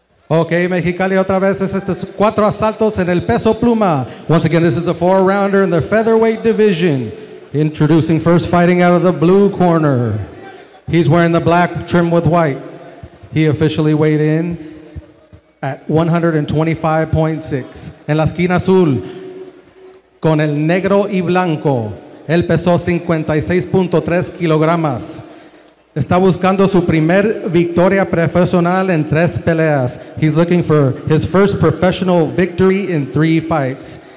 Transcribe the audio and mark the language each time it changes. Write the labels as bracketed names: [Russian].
[Spanish] Ok, Mexicali, otra vez, estos 4 asaltos en el peso pluma. [English] Once again, this is a 4-rounder in the featherweight division. Introducing first, fighting out of the blue corner. He's wearing the black trim with white. He officially weighed in at 125.6. [Spanish] En la esquina azul, con el negro y blanco, él pesó 56.3 kilogramos. Está buscando su primer victoria profesional en 3 peleas. [English] He's looking for his first professional victory in 3 fights.